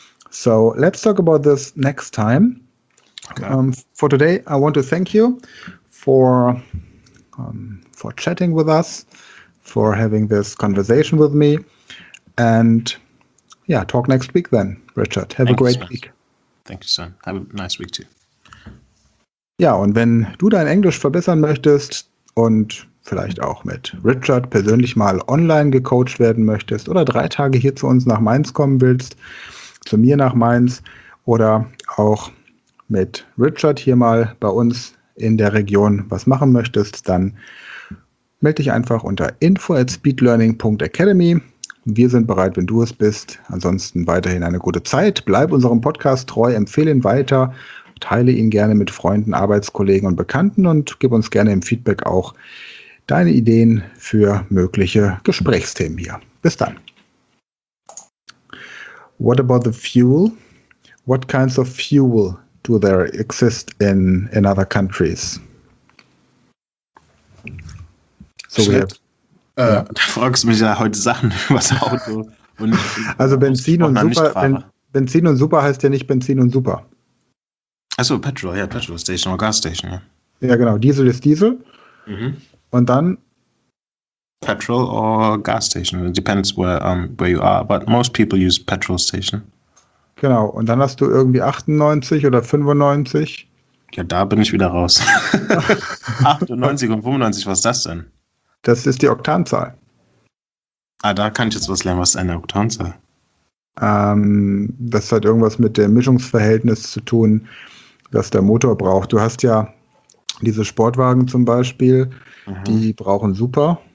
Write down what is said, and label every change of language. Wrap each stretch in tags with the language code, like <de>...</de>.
<en>So let's talk about this next time. Okay. For today, I want to thank you for chatting with us, for having this conversation with me. And yeah, talk next week then, Richard. Have thank a great you, week. Thank you, son. Have a nice week too.</en> <de>Ja, und wenn du dein Englisch verbessern möchtest und vielleicht auch mit Richard persönlich mal online gecoacht werden möchtest oder 3 Tage hier zu uns nach Mainz kommen willst, zu mir nach Mainz oder auch mit Richard hier mal bei uns in der Region was machen möchtest, dann melde dich einfach unter info@speedlearning.academy. Wir sind bereit, wenn du es bist. Ansonsten weiterhin eine gute Zeit. Bleib unserem Podcast treu, empfehle ihn weiter, teile ihn gerne mit Freunden, Arbeitskollegen und Bekannten und gib uns gerne im Feedback auch deine Ideen für mögliche Gesprächsthemen hier. Bis dann.</de> <en>What about the fuel? What kinds of fuel do there exist in other countries? So Shit. We have.</en> <de>Da fragst du mich ja heute Sachen über das Auto. Und also Benzin und Super heißt ja nicht Benzin und Super.</de> <en>Achso, Petrol, ja, Petrol Station oder Gas Station, ja.</en> <de>Ja, genau, Diesel ist Diesel. Mhm. Und dann?</de> <en>Petrol or Gas Station, it depends where you are, but most people use Petrol Station.</en> <de>Genau, und dann hast du irgendwie 98 oder 95. Ja, da bin ich wieder raus. 98 und 95, was ist das denn? Das ist die Oktanzahl. Ah, da kann ich jetzt was lernen. Was ist eine Oktanzahl? Das hat irgendwas mit dem Mischungsverhältnis zu tun, das der Motor braucht. Du hast ja diese Sportwagen zum Beispiel, die brauchen Super.</de>